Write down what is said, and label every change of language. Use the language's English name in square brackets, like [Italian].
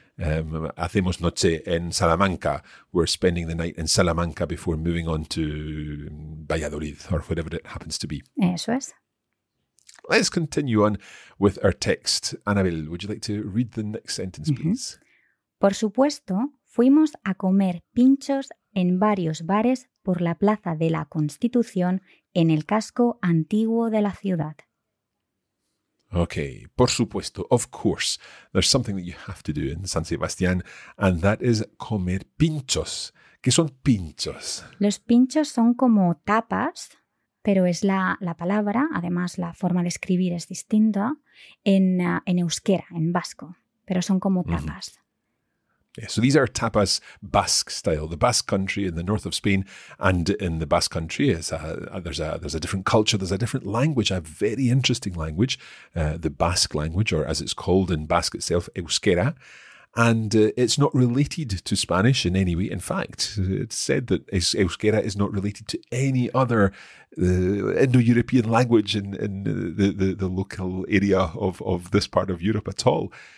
[Spanish] Hacemos noche en Salamanca. [English] We're spending the night in Salamanca before moving on to Valladolid, or whatever it happens to be. [Spanish] Eso es. [English] Let's continue on with our text. Anabel, would you like to read the next sentence, please? [Spanish] Por supuesto, fuimos a comer pinchos en varios bares por la Plaza de la Constitución en el casco antiguo de la ciudad. [English] Okay, por supuesto, of course, there's something that you have to do in San Sebastián, and that is [Spanish] comer pinchos. ¿Qué son pinchos? Los pinchos son como tapas, pero es la palabra, además la forma de escribir es distinta, en euskera, en vasco, pero son como tapas. Mm-hmm. [English] Yeah, so these are tapas Basque style, the Basque country in the north of Spain, and in the Basque country there's a different culture, there's a different language, a very interesting language, the Basque language, or as it's called in Basque itself, euskera. And it's not related to Spanish in any way. In fact, it's said that euskera is not related to any other Indo-European language in the local area of this part of Europe at all.